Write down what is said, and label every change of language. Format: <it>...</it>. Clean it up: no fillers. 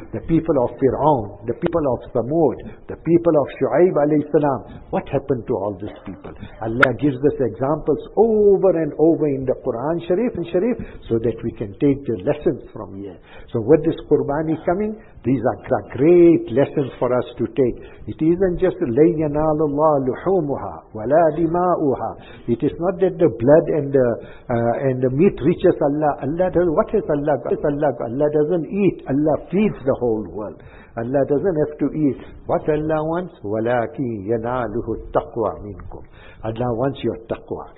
<en>The people of Fir'aun, the people of Thamud, the people of Shu'aib alayhi salam, what happened to all these people? Allah gives us examples over and over in the Quran Sharif, so that we can take the lessons from here. So with this qurbani coming, these are the great lessons for us to take. It isn't just</en> <ar>لَيَّنَالُ اللَّهُ لُحُومُهَا وَلَا دِمَاؤُهَا.</ar> <en>It is not that the blood and the meat reaches Allah. Allah does, what is Allah? What is Allah? Allah doesn't eat. Allah feeds the whole world. Allah doesn't have to eat. What Allah wants?</en> <ar>وَلَكِنْ يَنَالُهُ التَّقْوَى مِنْكُمْ.</ar> <en>Allah wants your taqwa.</en>